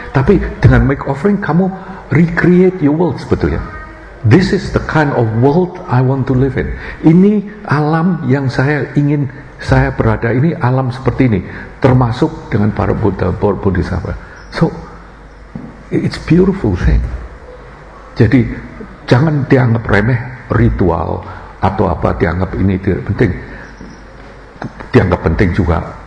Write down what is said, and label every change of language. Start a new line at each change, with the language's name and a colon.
Indonesian: Tapi dengan make offering kamu
English: recreate your world
Indonesian: sebetulnya.
English: This is the kind of world I want to live in.
Indonesian: Ini alam yang saya ingin saya berada. Ini alam seperti ini. Termasuk dengan para Buddha, para Bodhisattva.
English: So, it's beautiful thing.
Indonesian: Jadi, jangan dianggap remeh ritual atau apa, dianggap ini tidak penting. Dianggap penting juga.